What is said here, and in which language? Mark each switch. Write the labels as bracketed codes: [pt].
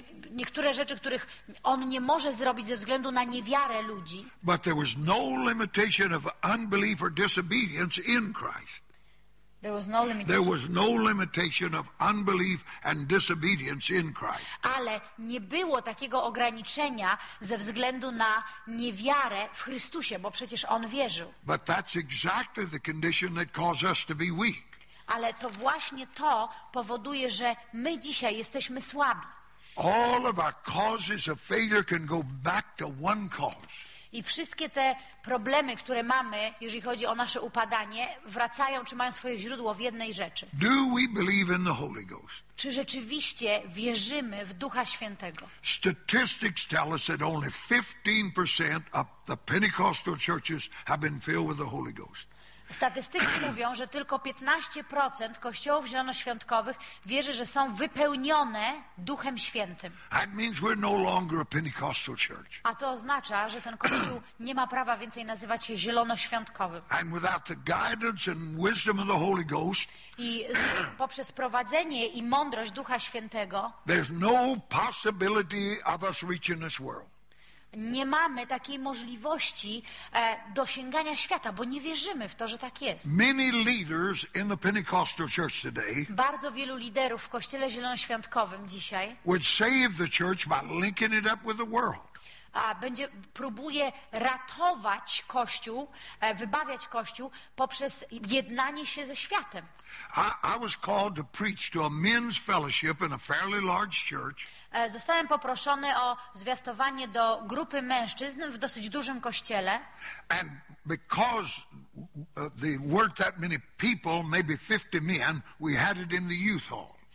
[pl] Niektóre rzeczy, których on nie może zrobić ze względu na niewiarę ludzi. [en] But there was no limitation of unbelief or disobedience in Christ. There was no limitation of unbelief and disobedience in Christ. [pl] Ale nie było takiego ograniczenia ze względu na niewiarę w Chrystusie, bo przecież on wierzył. [en] But that's exactly the condition that caused us to be weak. [pl] Ale to właśnie to powoduje, że my dzisiaj jesteśmy słabi. [en] All of our causes of failure can go back to one cause. [pl] I wszystkie te problemy, które mamy, jeżeli chodzi o nasze upadanie, wracają, czy mają swoje źródło w jednej rzeczy. [en] Do we believe in the Holy Ghost? [pl] Czy rzeczywiście wierzymy w Ducha Świętego? [en] Statistics tell us that only 15% of the Pentecostal churches have been filled with the Holy Ghost. [pl] Statystyki mówią, że tylko 15% kościołów zielonoświątkowych wierzy, że są wypełnione Duchem Świętym. [en] That means we're no longer a Pentecostal church. [pl] A to oznacza, że ten kościół nie ma prawa więcej nazywać się zielonoświątkowym. [en] And without the guidance and wisdom of the Holy Ghost, [pl] i poprzez prowadzenie i mądrość Ducha Świętego, [en] there's no possibility of us reaching this world. [pl] Nie mamy takiej możliwości dosięgania świata, bo nie wierzymy w to, że tak jest. [en] Many leaders in the Pentecostal church today, [pl] bardzo wielu liderów w Kościele Zielonoświątkowym dzisiaj, [en] would save the church by linking it up with the world. [pl] A będzie próbuje ratować Kościół, wybawiać Kościół poprzez jednanie się ze światem. [en] I was called to preach to a men's fellowship in a fairly large church. [pl] Zostałem poproszony o zwiastowanie do grupy mężczyzn w dosyć dużym kościele. [en] And because there weren't that many people, maybe 50 men, we had it in the youth hall.